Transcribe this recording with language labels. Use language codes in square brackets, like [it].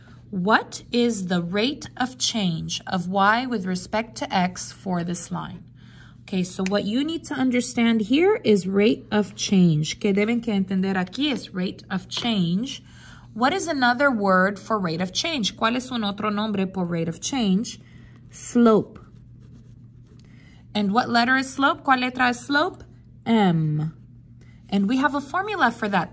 [en] What is the rate of change of y with respect to x for this line? Okay, so what you need to understand here is rate of change. [es] Que deben que entender aquí es [en] rate of change. What is another word for rate of change? [es] ¿Cuál es un otro nombre por rate of change? [en] Slope. And what letter is slope? [es] ¿Cuál letra es slope? [en] M. And we have a formula for that.